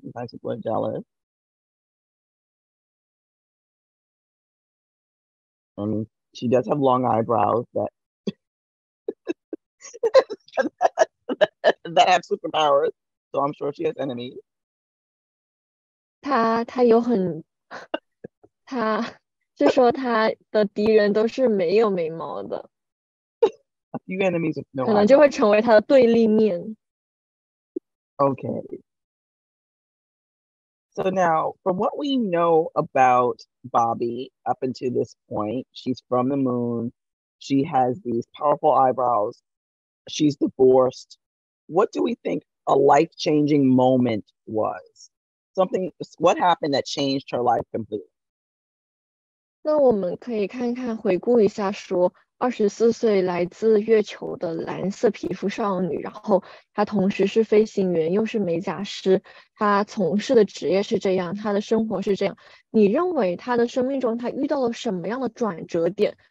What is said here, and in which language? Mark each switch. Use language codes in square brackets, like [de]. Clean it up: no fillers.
[en] Sometimes people are jealous. She does have long eyebrows that... that have superpowers, so I'm sure she has enemies. [zh] 她有很，她是说她的敌人都是没有眉毛的。 [en] A few enemies with no [zh] eyebrows. 可能就会成为她的对立面。 [en] Okay. So now, from what we know about Bobby up until this point, she's from the moon. She has these powerful eyebrows. She's divorced. What do we think a life-changing moment was? Something, what happened that changed her life completely? [zh] 那我们可以看看回顾一下说24岁来自月球的蓝色皮肤少女，然后她同时是飞行员又是美甲师，她从事的职业是这样，她的生活是这样。你认为她的生命中她遇到了什么样的转折点？